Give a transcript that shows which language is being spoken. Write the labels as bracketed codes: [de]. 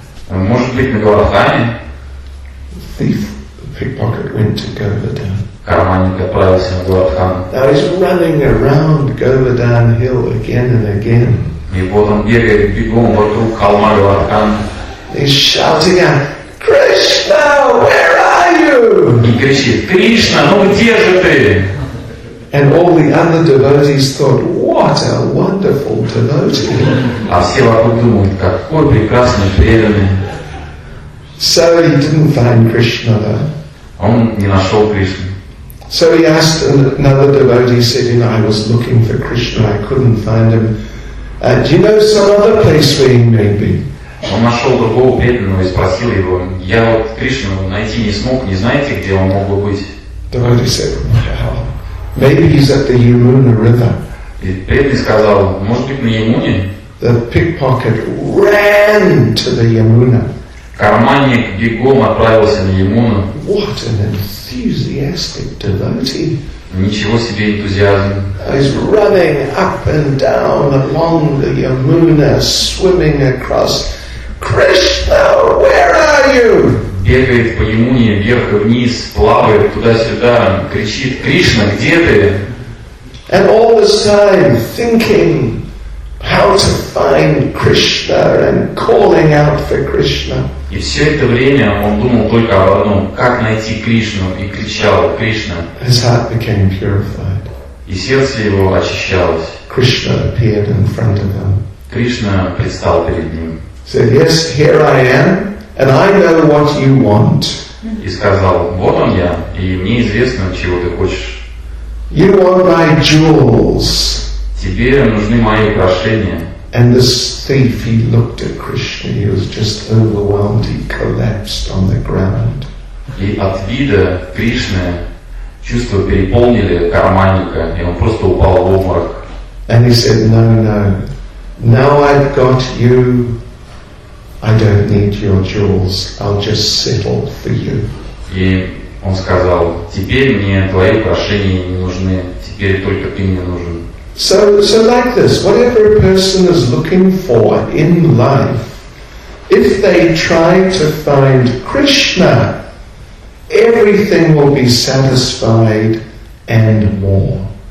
[ru] Может быть, на Говардхане? [en] The pickpocket went to Govardhan. [ru] Карманник отправился на Говардхан. [en] Now he's running around Govardhan Hill again and again. [ru] И вот он бегает бегом вокруг холма Говардхан. [en] He's shouting out, Krishna, where are [ru] И кричит, Кришна, ну где же ты? [en] And all the other devotees thought, what a wonderful devotee. [ru] А все вокруг думают, какой прекрасный преданный. [en] So he didn't find Krishna though. [ru] Он не нашел Кришну. [en] So he asked another devotee, said, you know, I was looking for Krishna, I couldn't find him. Do you know some other place where he may be? [ru] Он нашел другого преданного и спросил его, я вот Кришну найти не смог, не знаете, где он мог бы быть? [en] Devotee said, well, maybe he's at the Yamuna River. [ru] И преданный сказал, может быть, на Ямуне? [en] The pickpocket ran to the Yamuna. [ru] Карманник бегом отправился на Ямуну. [en] What an enthusiastic devotee. [ru] Ничего себе энтузиазм. [en] He's running up and down along the Yamuna, swimming across. Krishna, where are you? [ru] Бегает по Ямуне вверх и вниз, плавает туда-сюда, кричит, Кришна, где ты? [en] And all this time thinking how to find Krishna and calling out for Krishna. [ru] И все это время он думал только об одном, как найти Кришну, и кричал, Кришна. [en] His heart became purified. [ru] И сердце его очищалось. [en] Krishna appeared in front of him. [ru] Кришна предстал перед ним. [en] Said, yes, here I am, and I know what you want. [ru] И сказал, вот он я, и мне известно, чего ты хочешь. [en] You want my jewels. [ru] Тебе нужны мои украшения. [en] And this thief, he looked at Krishna, he was just overwhelmed, he collapsed on the ground. [ru] И от вида Кришны чувства переполнили карманника, и он просто упал в обморок. [en] And he said, no, no, now I've got you, I don't need your jewels, I'll just settle for you. [ru] И он сказал, теперь мне твои украшения не нужны, теперь только ты мне нужен. [en] So like this, whatever a person is looking for in life, if they try to find Krishna, everything will be satisfied and more.